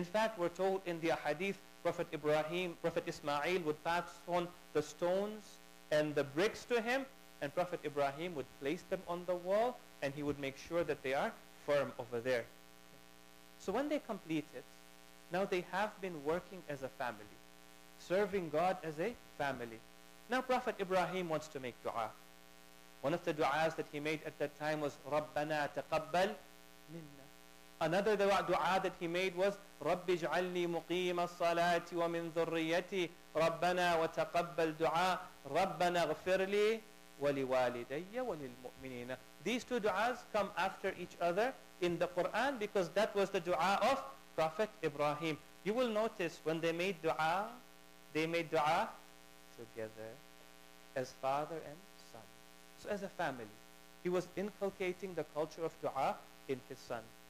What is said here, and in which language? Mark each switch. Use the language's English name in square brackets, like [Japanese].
[English] In fact, we're told in the hadith, Prophet Ismail would pass on the stones and the bricks to him, and Prophet Ibrahim would place them on the wall, and he would make sure that they are firm over there. So when they complete it, Now they have been working as a family, serving God as a family. Now Prophet Ibrahim wants to make dua. One of the du'as that he made at that time was [Arabic] رَبَّنَا تَقَبَّلْ مِنَّا. [English] Another du'a that he made was [Arabic] رَبِّ جْعَلْنِي مُقِيمَ الصَّلَاةِ وَمِنْ ذُرِّيَّتِي رَبَّنَا وَتَقَبَّلْ دُعَا رَبَّنَا اغْفِرْ لِي وَلِوَالِدَيَّ وَلِلْمُؤْمِنِينَ. [English] These two du'as come after each other in the Quran because that was the du'a of Prophet Ibrahim. You will notice when they made du'a together as father and so as a family. He was inculcating the culture of dua in his son.